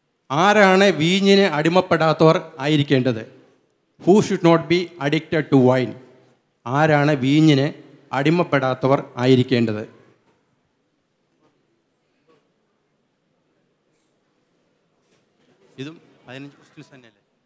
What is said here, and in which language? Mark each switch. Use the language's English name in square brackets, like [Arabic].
[Malayalam] ആരാണ് വീഞ്ഞിന് അടിമപ്പെടാത്തവർ ആയിരിക്കേണ്ടത്? [English] Who should not be addicted to wine? [Malayalam] ആരാണ് വീഞ്ഞിനെ അടിമപ്പെടാത്തവർ ആയിരിക്കേണ്ടത്? ഇതും 15 ക്വസ്റ്റ്യൻസ് തന്നെയല്ലേ.